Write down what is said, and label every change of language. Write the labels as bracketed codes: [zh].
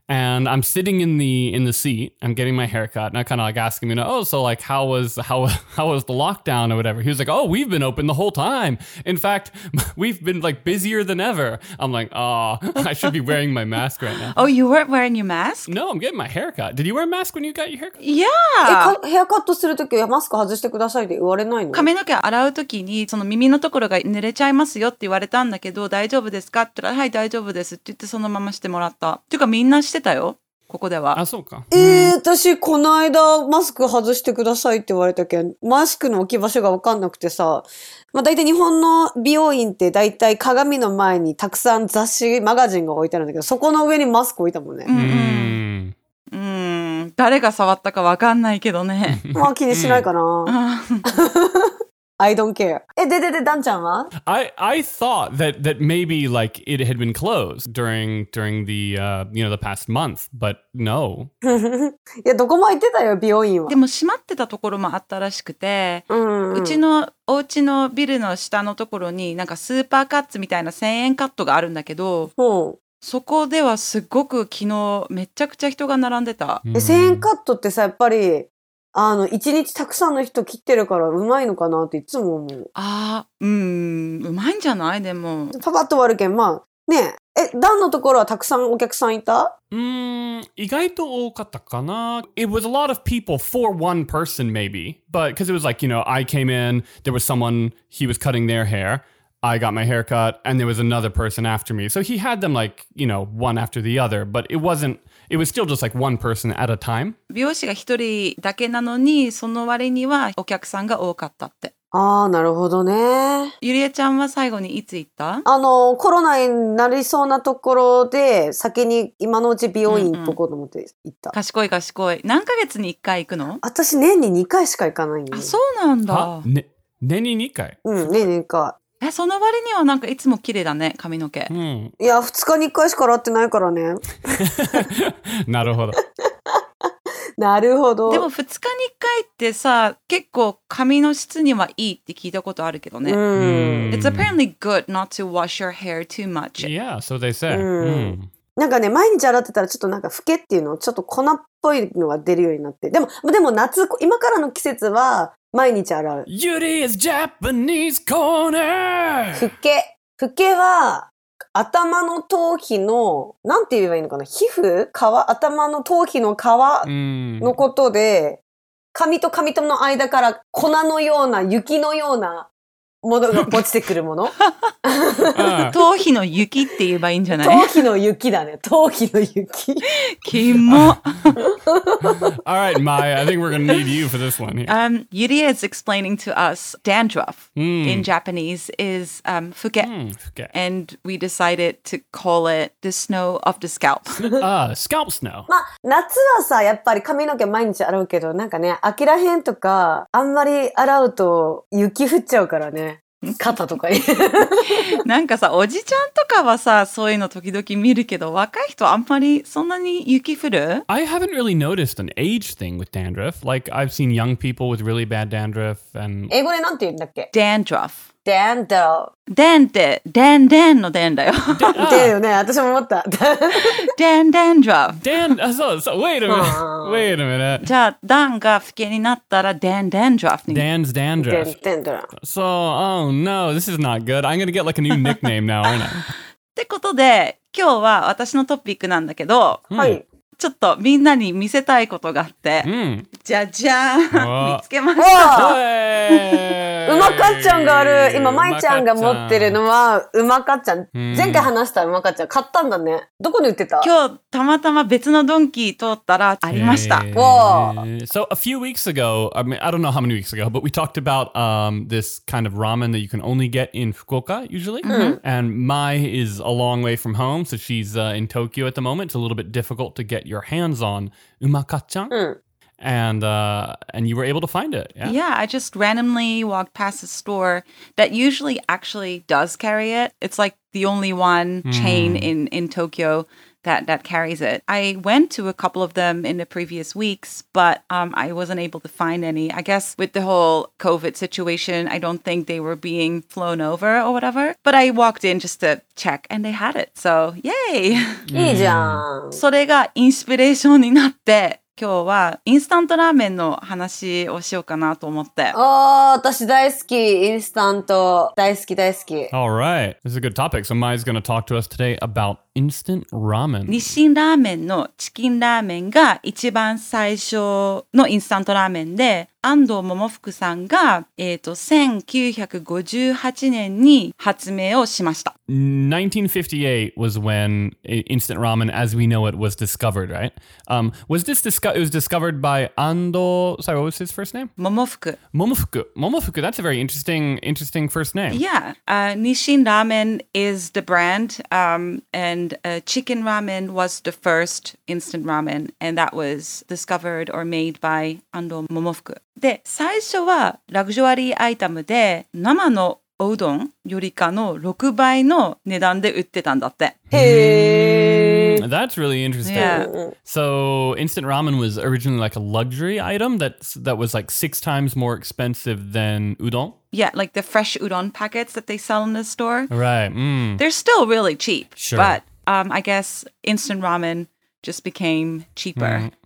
[en] And I'm sitting in the seat, I'm getting my haircut, and I kind of like asking him, you know, oh, so like, how was the lockdown or whatever? He was like, oh, we've been open the whole time. In fact, we've been like busier than ever. I'm like, oh, I should be wearing my mask right now. Oh, you weren't wearing your mask? No, I'm getting my haircut. Did you wear a mask when you got your haircut? Yeah. [ja] ヘアカットするときはマスク外してくださいって言われないの？髪の毛洗うときにその耳のところが濡れちゃいますよって言われたんだけど、大丈夫ですかって言ったら、はい大丈夫ですって言ってそのまましてもらった。っていうかみんなしてたよ、ここでは。あ、そうか。私この間マスク外してくださいって言われたけん、マスクの置き場所が分かんなくてさ、まあ大体日本の美容院って大体鏡の前にたくさん雑誌マガジンが置いてあるんだけど、そこの上にマスク置いたもんね。誰が触ったかわかんないけどね。まあ気にしないかな。 [en] I don't care. [ja] で、ダンちゃんは？ [en] I thought that maybe like it had been closed during the you know the past month, but no. [ja] いやどこも行ってたよ、美容院は。でも閉まってたところもあったらしくて、うん、うちのお家のビルの下のところになんかスーパーカッツみたいな1000円カットがあるんだけど。ほう。そこではすごく昨日めちゃくちゃ人が並んでた。 1000円カットってさ、やっぱりあの1日たくさんの人切ってるからうまいのかなっていつも思う。ああ、うまいんじゃない？でもパパッと割るけん、まあねえ、ダンのところはたくさんお客さんいた？意外と多かったかな。 [en] It was a lot of people for one person maybe, but because it was like, you know, I came in, there was someone, he was cutting their hairI got my haircut, and there was another person after me. So he had them like, you know, one after the other, but it wasn't, it was still just like one person at a time. [ja] 美容師が一人だけなのに、その割にはお客さんが多かったって。ああ、なるほどね。ゆりえちゃんは最後にいつ行った？あの、コロナになりそうなところで、先に今のうち美容院行こうと思って行った。賢い賢い。何ヶ月に1回行くの？私、年に2回しか行かないんだ。あ、そうなんだ。ね、年に2回？うん、年に2回。え、その割にはなんかいつも綺麗だね、髪の毛。うん、いや、二日に一回しか洗ってないからね。なるほど。なるほど。でも二日に一回ってさ、結構髪の質にはいいって聞いたことあるけどね。 [en] It's apparently good not to wash your hair too much. Yeah, so they say. [ja] なんかね、毎日洗ってたらちょっとなんかフケっていうの、ちょっと粉っぽいのが出るようになって。でも夏、今からの季節は、毎日洗う。 [en] Yuri is Japanese corner! [ja] フケ。フケは、頭の頭皮の、なんて言えばいいのかな？皮膚？皮？頭の頭皮の皮のことで、髪と髪との間から粉のような、雪のようなものが落ちてくるもの頭皮の雪って言えばいいんじゃない頭皮の雪だね。頭皮の雪。キモ。 [en] All right, Maya, I think we're going to need you for this one here. Yuri is explaining to us dandruff in Japanese is fuke. And we decided to call it the snow of the scalp. Scalp snow. [ja] まあ、夏はさ、やっぱり髪の毛毎日洗うけど、なんかね、秋らへんとか、あんまり洗うと雪降っちゃうからね。肩とかになんかさおじちゃんとかはさそういうの時々見るけど若い人あんまりそんなに雪降る [en] I haven't really noticed an age thing with dandruff like I've seen young people with really bad dandruff and [ja] 英語でなんて言うんだっけ [en] dandruff dandruff [ja] dan って dan dan の dan だよ dan よね私も思った [en] dan dandruff dan [ja] そうそう [en] wait a minute wait a minute [ja] じゃあ dan が老けになったら dan dandruff に [en] dan's dandruff dan dandruff so oh no this is not good I'm gonna get like a new nickname now aren't I [ja] ってことで今日は私のトピックなんだけどはいちょっとみんなに見せたいことがあって、じゃじゃーん見つけました。うまかっちゃんがある。今まいちゃんが持ってるのはうまかっちゃん。前回話したうまかっちゃん買ったんだね。どこに売ってた？今日たまたま別のドンキー通ったらありました。 [en] So a few weeks ago, I mean, I don't know how many weeks ago, but we talked about this kind of ramen that you can only get in Fukuoka usually. And Mai is a long way from home, so she's in Tokyo at the moment. It's a little bit difficult to get your hands on umakachan. And you were able to find it. Yeah? Yeah, I just randomly walked past a store that usually actually does carry it. It's like the only one chain in Tokyo that carries it. I went to a couple of them in the previous weeks, but I wasn't able to find any. I guess with the whole COVID situation, I don't think they were being flown over or whatever. But I walked in just to check and they had it. So, yay! [ja] いいじゃん。それがインスピレーションになって、今日はインスタントラーメンの話をしようかなと思って。おお、私大好き、インスタント。大好き大好き。 [en] All right. This is a good topic. So Mai's gonna talk to us today about instant ramen. [ja] 日清ラーメンのチキンラーメンが一番最初のインスタントラーメンで、安藤桃福さんが、1958年に発明をしました。 [en] 1958 was when instant ramen as we know it was discovered, right? It was discovered by Ando, sorry, what was his first name? Momofuku, that's a very interesting first name. Yeah, Nissin Ramen is the brand, and Chicken Ramen was the first instant ramen, and that was discovered or made by Ando Momofuku. [ja] で、最初はラグジュアリーアイテムで生のおうどんよりかの6倍の値段で売ってたんだって。 [en] That's really interesting. Yeah. So instant ramen was originally like a luxury item that was like 6 times more expensive than udon. Yeah, like the fresh udon packets that they sell in the store. Right. They're still really cheap. Sure. But I guess instant ramen just became cheaper. Mm.